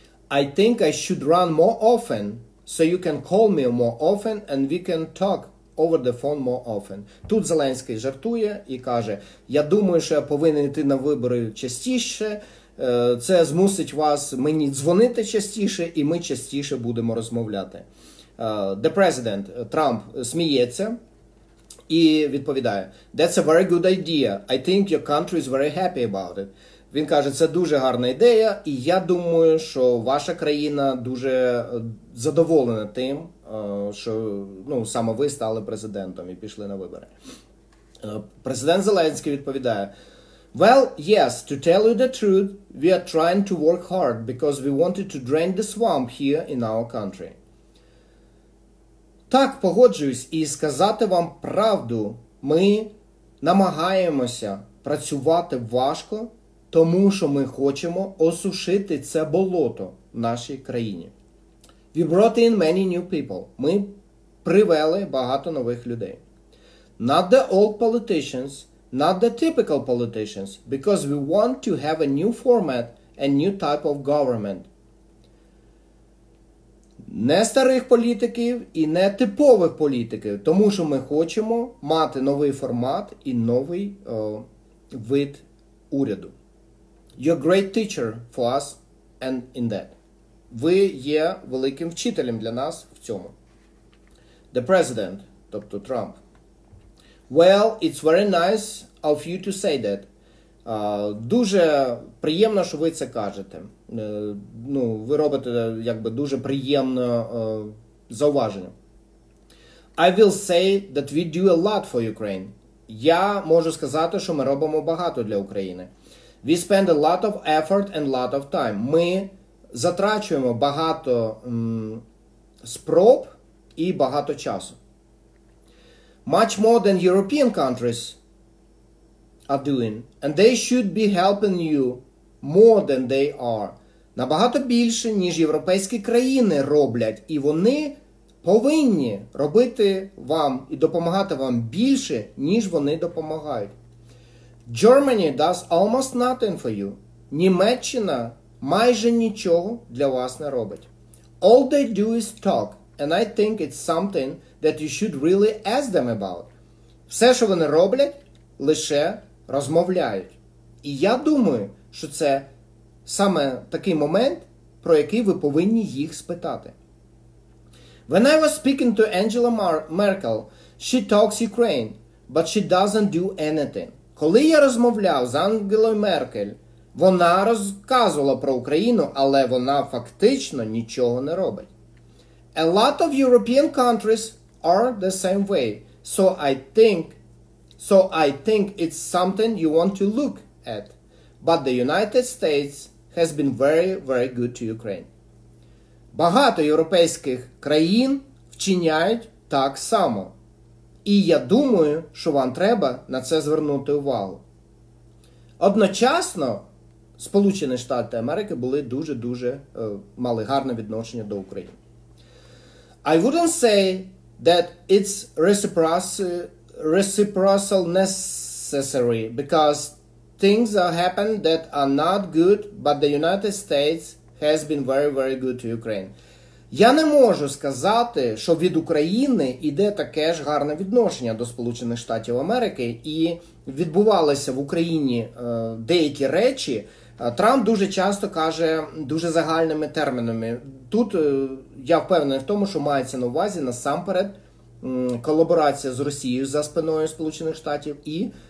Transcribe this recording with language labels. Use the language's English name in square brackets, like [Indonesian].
[English] I think I should run more often, so you can call me more often and we can talk over the phone more often. [Ukrainian] Тут Зеленський жартує і каже, я думаю, що я повинен йти на вибори частіше, це змусить вас мені дзвонити частіше, і ми частіше будемо розмовляти. [English] The president, [Ukrainian] Трамп, сміється і відповідає, [English] that's a very good idea, I think your country is very happy about it. [Ukrainian] Він каже, це дуже гарна ідея, і я думаю, що ваша країна дуже задоволена тим, що, ну, саме ви стали президентом і пішли на вибори. Президент Зеленський відповідає, [English] well, yes, to tell you the truth, we are trying to work hard, because we wanted to drain the swamp here in our country. [Ukrainian] Так, погоджуюсь, і сказати вам правду, ми намагаємося працювати важко, тому що ми хочемо осушити це болото в нашій країні. [English] We brought in many new people. [Ukrainian] Ми привели багато нових людей. [English] Not the old politicians, not the typical politicians, because we want to have a new format and new type of government. [Ukrainian] Не старих політиків і не типових політиків, тому що ми хочемо мати новий формат і новий вид уряду. [English] You're a great teacher for us and in that. [Ukrainian] Ви є великим вчителем для нас в цьому. [English] The president, [Ukrainian] тобто Трамп. [English] Well, it's very nice of you to say that. [Ukrainian] Дуже приємно, що ви це кажете. Ну, ви робите, якби, дуже приємне зауваження. [English] I will say that we do a lot for Ukraine. [Ukrainian] Я можу сказати, що ми робимо багато для України. [English] We spend a lot of effort and a lot of time. [Ukrainian] Ми затрачуємо багато спроб і багато часу. [English] Much more than European countries are doing. And they should be helping you more than they are. [Ukrainian] Набагато більше, ніж європейські країни роблять. І вони повинні робити вам і допомагати вам більше, ніж вони допомагають. [English] Germany does almost nothing for you. [Ukrainian] Німеччина майже нічого для вас не робить. [English] All they do is talk, and I think it's something that you should really ask them about. [Ukrainian] Все, що вони роблять, лише розмовляють. І я думаю, що це саме такий момент, про який ви повинні їх спитати. [English] When I was speaking to Angela Merkel, she talks Ukraine, but she doesn't do anything. [Ukrainian] Коли я розмовляв з Ангелою Меркель, вона розказувала про Україну, але вона фактично нічого не робить. [English] A lot of European countries are the same way, so I think it's something you want to look at. But the United States has been very, very good to Ukraine. [Ukrainian] Багато європейських країн вчиняють так само. І я думаю, що вам треба на це звернути увагу. Одночасно Сполучені Штати Америки були дуже-дуже мали гарне відношення до України. [English] I wouldn't say that it's reciprocal necessary, because things are happening that are not good, but the United States has been very, very good to Ukraine. [Ukrainian] Я не можу сказати, що від України йде таке ж гарне відношення до Сполучених Штатів Америки, і відбувалися в Україні деякі речі. Трамп дуже часто каже дуже загальними термінами. Тут я впевнений в тому, що мається на увазі насамперед колаборація з Росією за спиною Сполучених Штатів і